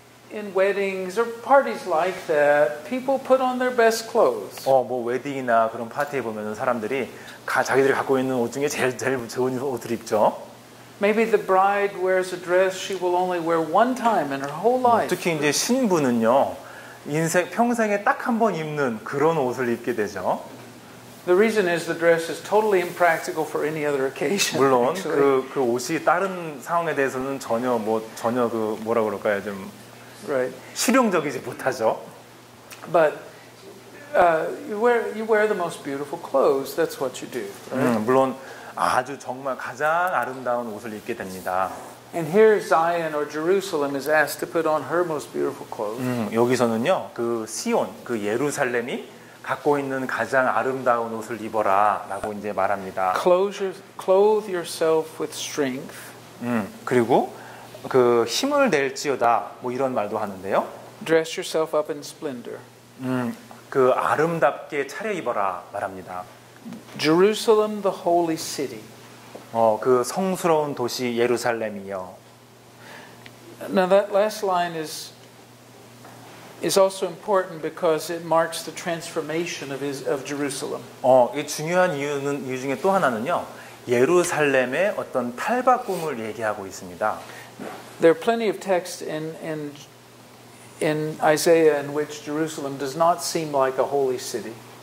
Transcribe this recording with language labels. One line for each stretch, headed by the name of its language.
English: In weddings, or parties like that, people put on their best clothes.
Korean: 뭐 웨딩이나 그런 파티에 보면은 사람들이 자기들이 갖고 있는 옷 중에 제일 좋은 옷을 입죠.
English: Maybe the bride wears a dress she will only wear one time in her whole life.
Korean: 특히 이제 신부는요, 인생 평생에 딱 한 번 입는 그런 옷을 입게 되죠.
English: The reason is the dress is totally impractical for any other occasion.
Korean: 물론 그 옷이 다른 상황에 대해서는 전혀 그 뭐라 그럴까요 좀
English: right.
Korean: 실용적이지 못하죠.
English: But you wear the most beautiful clothes. That's what you do. Right?
Korean: 물론 아주 정말 가장 아름다운 옷을 입게 됩니다.
English: And here Zion or Jerusalem is asked to put on her most beautiful clothes.
Korean: 여기서는요 그 시온 그 예루살렘이 갖고 있는 가장 아름다운 옷을 입어라라고 이제 말합니다.
English: Clothe yourself with strength.
Korean: 그리고 그 힘을 낼지어다 뭐 이런 말도 하는데요.
English: Dress yourself up in splendor.
Korean: 그 아름답게 차려입어라 말합니다.
English: Jerusalem, the holy city.
Korean: 그 성스러운 도시 예루살렘이요.
English: Now that last line is also important because it marks the transformation of Jerusalem.
Korean: 이 중요한 이유는 이유 중에 또 하나는요. 예루살렘의 어떤 탈바꿈을 얘기하고 있습니다.
English: There are plenty of texts in Isaiah in which Jerusalem does not seem like a holy city.